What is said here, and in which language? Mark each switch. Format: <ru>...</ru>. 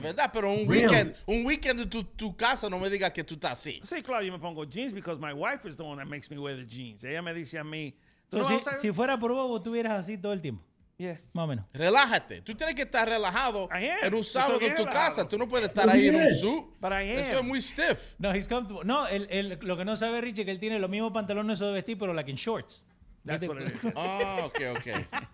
<es>De verdad, pero un weekend en tu casa, no me digas que tú estás así. Sí, claro, yo me pongo jeans</es> <en>because my wife is the one that makes me wear the jeans.</en> <es>Ella me dice a mí... ¿Tú no si fuera por vos, tú estuvieras así todo el tiempo? No,</es> <en>Yeah.</en> <es>Más o menos. Relájate. Tú tienes que estar relajado en un sábado en tu relajado. Casa. Tú no puedes estar ahí en un suit. Eso es muy stiff.</es> <en>No, he's comfortable.</en> <es>No, él, lo que no sabe Richie es que él tiene los mismos pantalones de vestir, pero</es> <en>like in shorts. That's what it is. Oh, okay, okay.</en>